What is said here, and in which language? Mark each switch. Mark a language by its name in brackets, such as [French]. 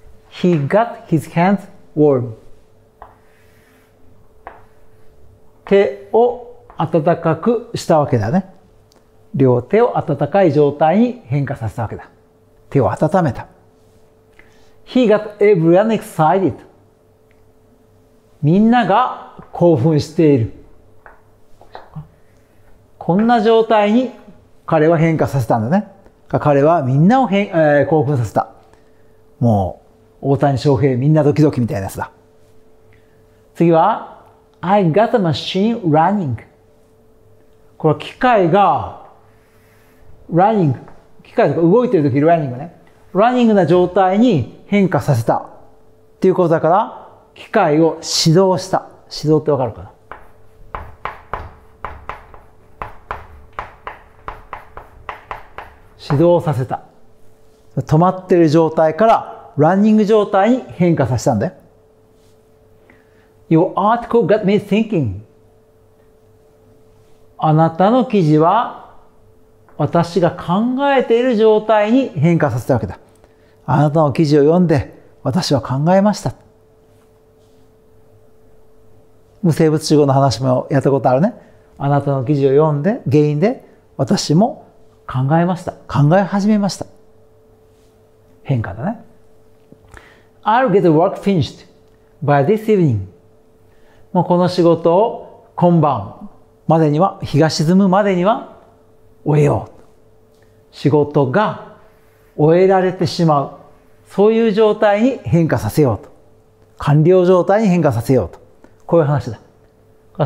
[English] He got his hands warm. [Japanese] 手を温かくしたわけだね。両手を温かい状態に変化させたわけだ。手を温めた。 [English] He got everyone excited. [Japanese] みんなが興奮している。こんな状態に彼は変化させたんだね。彼はみんなを興奮させた。もう大谷翔平みんなドキドキみたいなやつだ。次は [English] I got a machine running。 [Japanese] これ機械が running、機械とか動いてるとき running ね、running な状態に変化させたっていうことだから、機械を始動した。始動ってわかるかな？始動させた。止まってる状態からランニング状態に変化させたんだよ。 [English] Your article got me thinking. [Japanese] あなたの記事は私が考えている状態に変化させたわけだ。あなたの記事を読んで私は考えました。無生物集合の話もやったことあるね。あなたの記事を読んで原因で私も考えました。考え始めました。変化だね。 [English] I'll get the work finished by this evening. [Japanese] もうこの仕事を今晩までには、日が沈むまでには終えよう。仕事が終えられてしまう。そういう状態に変化させようと。完了状態に変化させようと。こういう話だ。